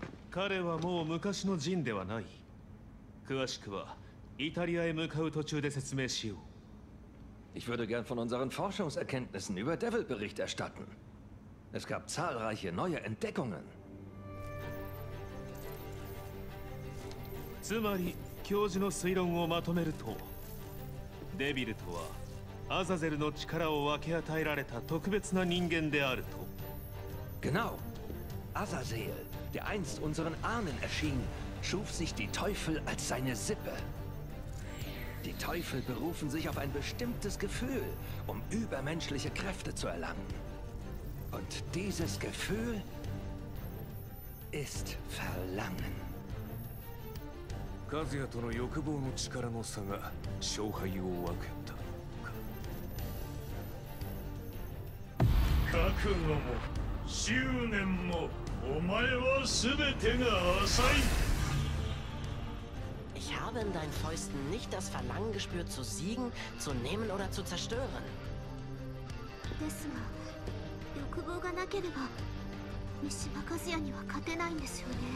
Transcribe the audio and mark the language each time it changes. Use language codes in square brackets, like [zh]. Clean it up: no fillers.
[ja] 彼はもう昔のジンではない。詳しくはイタリアへ向かう途中で説明しよう。 [de] Ich würde gern von unseren Forschungserkenntnissen über Devil Bericht erstatten. Es gab zahlreiche neue Entdeckungen. [ja] つまり教授の推論をまとめると、デビルとは Azazel の力を分け与えられた特別な人間であると。 [de] Genau. Azazel, der einst unseren Ahnen erschien, schuf sich die Teufel als seine Sippe. Die Teufel berufen sich auf ein bestimmtes Gefühl, um übermenschliche Kräfte zu erlangen. Und dieses Gefühl ist Verlangen. [ja] Kazuya との欲望の力の差が勝敗を分けた。覚悟も執念もお前は全てが浅い。 [de] Ich habe in deinen Fäusten nicht das Verlangen gespürt, zu siegen, zu nehmen oder zu zerstören. [ja] Desuga, 欲望がなければ、Mishima Kazuya には勝てないんですよね。